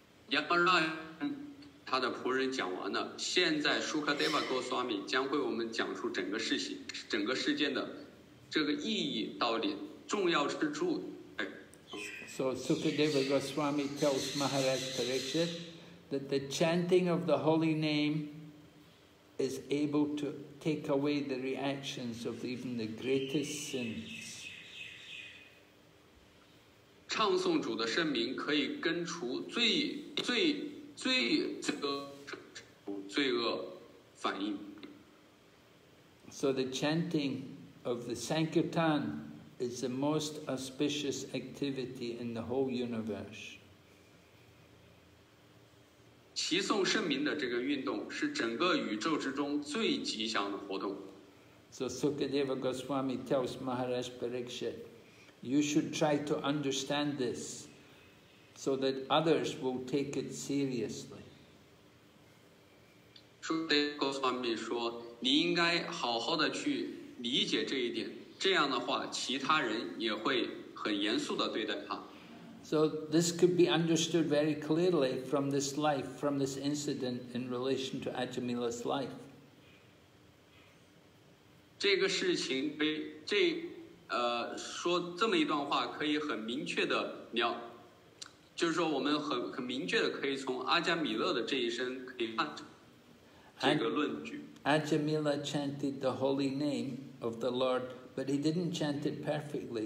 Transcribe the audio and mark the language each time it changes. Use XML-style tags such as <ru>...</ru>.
<zh>Yamaraj 他的仆人讲完了，现在 Sukadeva Goswami 将会我们讲出整个事情、整个事件的这个意义、道理、重要之处。</zh> <en>So Sukadeva Goswami tells Maharaj Parikshit that the chanting of the holy name is able to take away the reactions of even the greatest sins.</en> <zh>唱诵主的圣名可以根除罪恶反应。</zh> <en>So the chanting of the Sankirtan is the most auspicious activity in the whole universe.</en> <zh>祈诵圣名的这个运动是整个宇宙之中最吉祥的活动。</zh> <en>So Sukadeva Goswami tells Maharaj Parikshit. You should try to understand this so that others will take it seriously.</en> <zh>Sukadeva Goswami 说你应该好好的去理解这一点，这样的话其他人也会很严肃的对待他。</zh> <en>So this could be understood very clearly from this life, from this incident in relation to Ajamila's life.</en> <zh>这个事情被这说这么一段话可以很明确的描，就是说我们很明确的可以从阿加米勒的这一生可以看这个论据。</zh> <en>Ajamila chanted the holy name of the Lord, but he didn't chant it perfectly.</en>